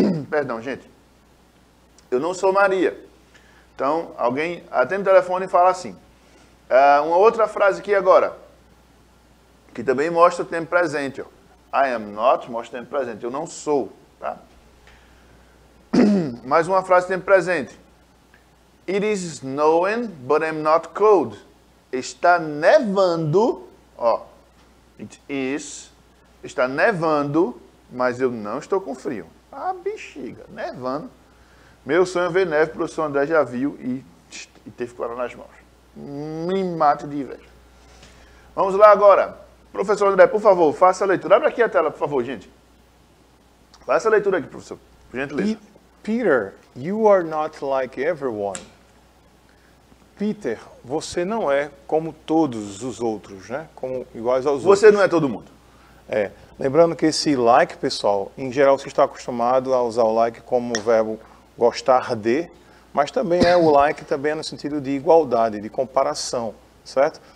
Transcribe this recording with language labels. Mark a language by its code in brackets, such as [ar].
[pt] Perdão, gente. Eu não sou Maria. Então, alguém atende o telefone e fala assim. Uma outra frase aqui agora, que também mostra o tempo presente. Ó. [en] I am not [pt] mostra o tempo presente. Eu não sou. Tá? Mais uma frase tempo presente. [en] It is snowing, but I'm not cold. [pt] Está nevando. Ó. [en] It is. [pt] Está nevando, mas eu não estou com frio. Ah, bexiga, nevando. Meu sonho é ver neve, o professor André já viu e teve coragem nas mãos. Me mato de inveja. Vamos lá agora. Professor André, por favor, faça a leitura. Abre aqui a tela, por favor, gente. Faça a leitura aqui, professor. Por gentileza. [en] Peter, you are not like everyone. [pt] Peter, você não é como todos os outros, né? Como iguais aos você outros. Você não é todo mundo. É, lembrando que esse like, pessoal, em geral você está acostumado a usar o like como verbo gostar de, mas também é o like também é no sentido de igualdade, de comparação, certo?